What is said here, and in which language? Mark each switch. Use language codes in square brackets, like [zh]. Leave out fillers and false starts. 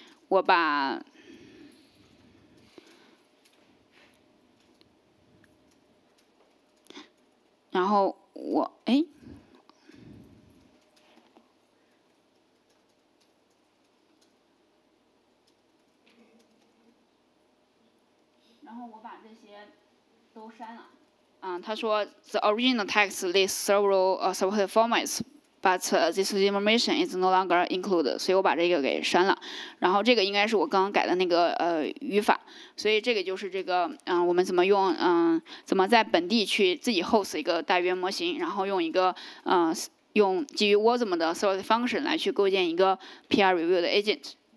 [zh] 我把然后我哎然后我把这些都删了。他说 [en] the original text lists several supported formats，But this information is no longer included， [zh] 所以我把这个给删了。然后这个应该是我刚刚改的那个语法，所以这个就是这个我们怎么用怎么在本地去自己 host 一个大语言模型，然后用一个用基于 Wasm 的 sort function 来去构建一个 PR review 的 agent。